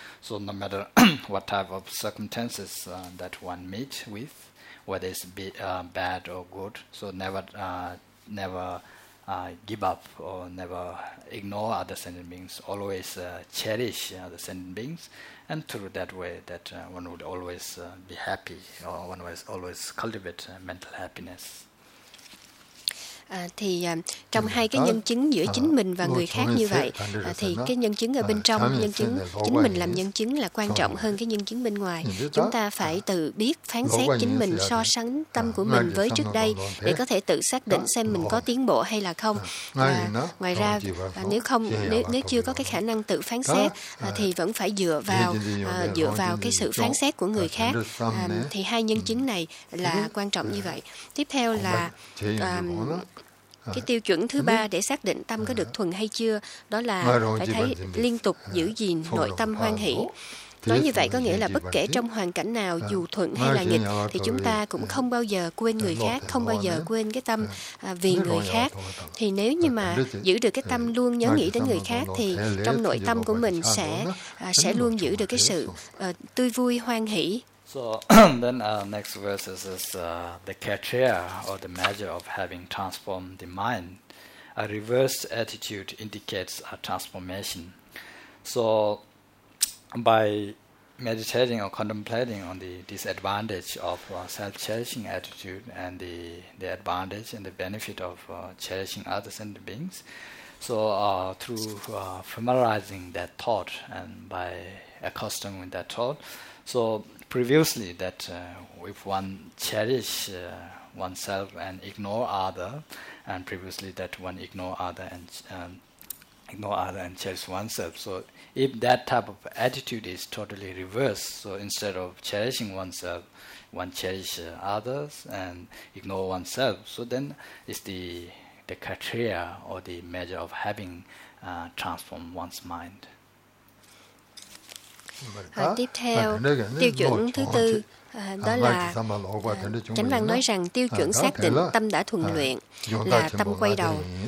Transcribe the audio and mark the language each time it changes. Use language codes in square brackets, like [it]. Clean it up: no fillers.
[en] So no matter what type of circumstances that one meet with, whether it's bad or good, so never give up, or never ignore other sentient beings. Always cherish other sentient beings. And through that way, that one would always be happy, or one would always cultivate mental happiness. [vi] Thì trong hai cái nhân chứng giữa chính mình và người khác như vậy, thì cái nhân chứng ở bên trong, nhân chứng chính mình làm nhân chứng là quan trọng hơn cái nhân chứng bên ngoài. Chúng ta phải tự biết phán xét chính mình, so sánh tâm của mình với trước đây để có thể tự xác định xem mình có tiến bộ hay là không. Ngoài ra, nếu chưa có cái khả năng tự phán xét thì vẫn phải dựa vào cái sự phán xét của người khác. Thì hai nhân chứng này là quan trọng như vậy. Tiếp theo là cái tiêu chuẩn thứ ba để xác định tâm có được thuần hay chưa, đó là phải thấy liên tục giữ gìn nội tâm hoan hỷ. Nói như vậy có nghĩa là bất kể trong hoàn cảnh nào, dù thuận hay là nghịch, thì chúng ta cũng không bao giờ quên người khác, không bao giờ quên cái tâm vì người khác. Thì nếu như mà giữ được cái tâm luôn nhớ nghĩ đến người khác, thì trong nội tâm của mình sẽ luôn giữ được cái sự tươi vui, hoan hỷ. [en] So then next verse is the kshatriya, or the measure of having transformed the mind. A reverse attitude indicates a transformation. So by meditating or contemplating on the disadvantage of self-cherishing attitude and the advantage and the benefit of cherishing others and beings, so through familiarizing that thought and by accustoming that thought, so previously that if one cherish oneself and ignore other, and previously that one ignore other and cherish oneself. So if that type of attitude is totally reversed, so instead of cherishing oneself, one cherish others and ignore oneself, so then it's the kshatriya, or the measure of having transformed one's mind. [vi] Tiếp theo, tiêu chuẩn thứ tư, đó là chánh văn nói rằng tiêu chuẩn xác định tâm đã thuần luyện là tâm quay đầu.